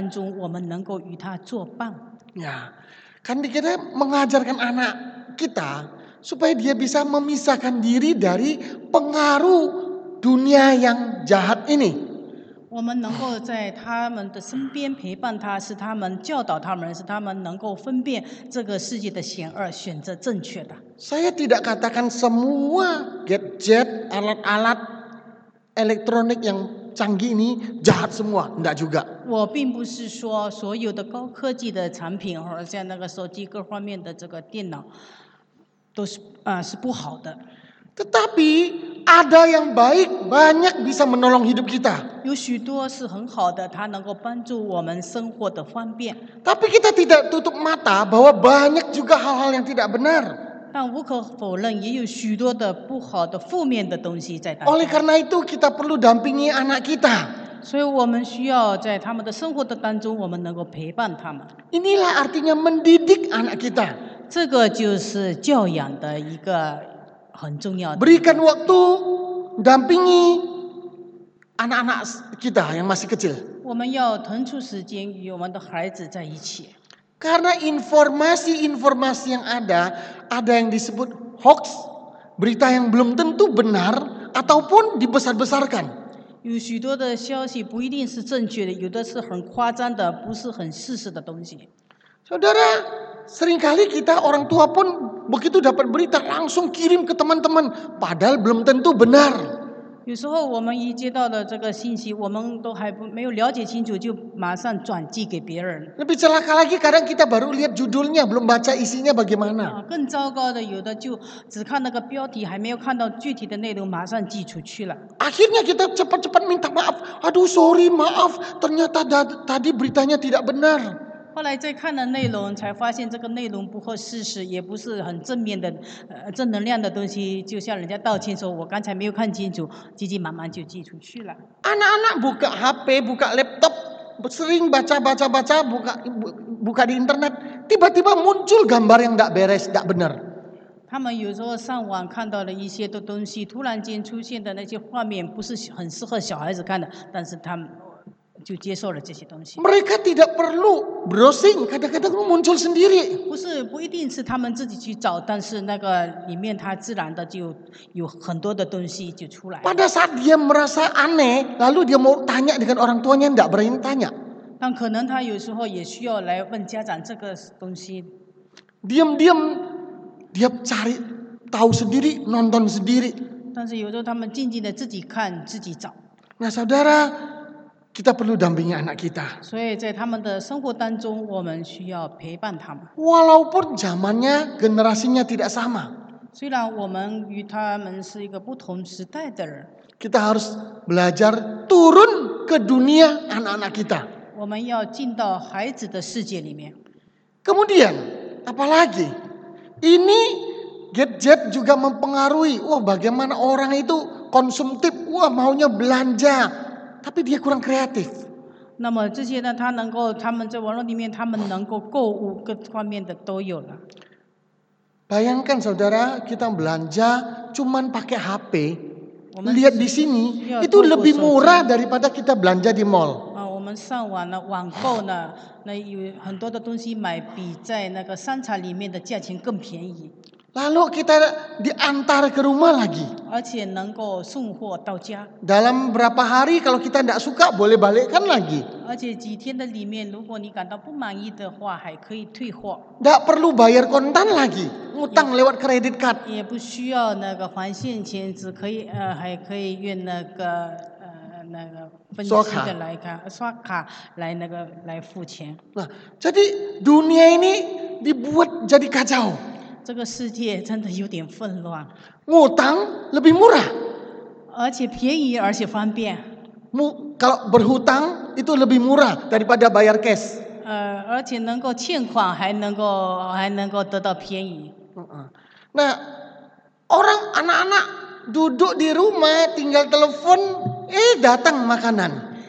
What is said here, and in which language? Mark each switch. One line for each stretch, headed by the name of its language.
Chinese: 就是把我们自己放在孩子的当中，我们能够与他作伴。
Indonesian: Ya, kan kita mengajarkan anak kita supaya dia bisa memisahkan diri dari pengaruh dunia yang jahat ini.
Chinese: 我们能够在他们的身边陪伴他，是他们教导他们，是他们能够分辨这个世界的险恶，选择正确的。
Indonesian: Saya tidak katakan semua gadget alat-alat elektronik yang canggih ini jahat semua, enggak juga.
Chinese: 我并不是说所有的高科技的产品，或者像那个手机各方面的这个电脑，都是是不好的。
Indonesian: Tetapi ada yang baik, banyak bisa menolong hidup kita.
Chinese: 有许多是很好的，它能够帮助我们生活的方便。
Indonesian: Tapi kita tidak tutup mata bahwa banyak juga hal-hal yang tidak benar.
Chinese: 但无可否认，也有许多的不好的、负面的东西在。
Indonesian: Oleh karena itu kita perlu dampingi anak kita.
Chinese: 所以我们需要在他们的生活的当中，我们能够陪伴他们。
Indonesian: Inilah artinya mendidik anak kita.
Chinese: 这个就是教养的一个。很重要的。
Indonesian: Berikan waktu dampingi anak-anak kita yang masih kecil.
Chinese: 我们要腾出时间与我们的孩子在一起。
Indonesian: Karena informasi-informasi yang ada yang disebut hoax, berita yang belum tentu benar ataupun dibesar-besarkan.
Chinese: 有许多的消息不一定是正确的，有的是很夸张的，不是很事实的东西。
Indonesian: Saudara, seringkali kita orang tua pun begitu dapat berita langsung kirim ke teman-teman, padahal belum tentu benar.
Chinese: 有时候我们一接到的这个信息，我们都还不没有了解清楚，就马上转寄给别人。
Indonesian: Lebih celaka lagi, kadang kita baru lihat judulnya, belum baca isinya bagaimana.
Chinese: 更糟糕的，有的就只看那个标题，还没有看到具体的内容，马上寄出去了。
Indonesian: Akhirnya kita cepat-cepat minta maaf. Aduh, sorry, maaf, ternyata tadi beritanya tidak benar.
Chinese: 后来再看了内容，才发现这个内容不合事实，也不是很正面的、正能量的东西。就像人家道歉说：“我刚才没有看清楚。” 急急忙忙就寄出去了。
Indonesian: Anak-anak buka HP, buka laptop, sering baca, buka di internet, tiba-tiba muncul gambar yang tidak beres, tidak benar.
Chinese: 他们有时候上网看到了一些的东西，突然间出现的那些画面不是很适合小孩子看的，但是他们。就接受了这些东西。
Indonesian: Mereka tidak perlu browsing, kadang-kadang muncul sendiri.
Chinese: 不是，不一定是他们自己去找，但是那个里面他自然的就有很多的东西就出来。
Indonesian: Pada saat dia merasa aneh, lalu dia mau tanya dengan orang tuanya, tidak berani tanya.
Chinese: 但可能他有时候也需要来问家长这个东西。
Indonesian: Diam-diam, dia cari tahu sendiri, nonton sendiri.
Chinese: 但是有时候他们静静的自己看自己找。
Indonesian: Nah, saudara. Kita perlu dampingi anak kita.
Chinese: 所以在他们的生活当中，我们需要陪伴他们。
Indonesian: Walaupun zamannya, generasinya tidak sama.
Chinese: 虽然我们与他们是一个不同时代的人。
Indonesian: Kita harus belajar turun ke dunia anak-anak kita.
Chinese: 我们要进到孩子的世界里面。
Indonesian: Kemudian, apalagi, ini gadget juga mempengaruhi. Wah, bagaimana orang itu konsumtif? Wah, maunya belanja. Tapi dia kurang kreatif.
Chinese: 那么这些呢？他能够，他们在网络里面，他们能够购物各方面的都有了。
Indonesian: Bayangkan, saudara, kita belanja cuma pakai HP, lihat di sini, itu lebih murah daripada kita belanja di mall.
Chinese: 我们上网呢，网购呢，那有很多的东西买比在那个商场里面的价钱更便宜。
Indonesian: Lalu kita diantar ke rumah lagi.
Chinese: 而且能够送货到家。
Indonesian: Dalam berapa hari kalau kita tidak suka boleh balikkan lagi.
Chinese: 而且几天的里面，如果你感到不满意的话，还可以退货。
Indonesian: Tidak perlu bayar kontan lagi, utang lewat credit card.
Chinese: 也不需要那个还现钱，只可以还可以用那个那个分期的来卡刷卡来那个来付钱。
Indonesian: Nah, jadi dunia ini dibuat jadi kacau.
Chinese: 这个世界真的有点混乱。
Indonesian: Ngutang lebih murah,
Chinese: 而且便宜而且方便。
Indonesian: Kalau berhutang itu lebih murah daripada bayar cash.
Chinese: 而且能够欠款还能够得到便宜。
Indonesian: Nah, orang anak-anak duduk di rumah tinggal telepon, datang makanan.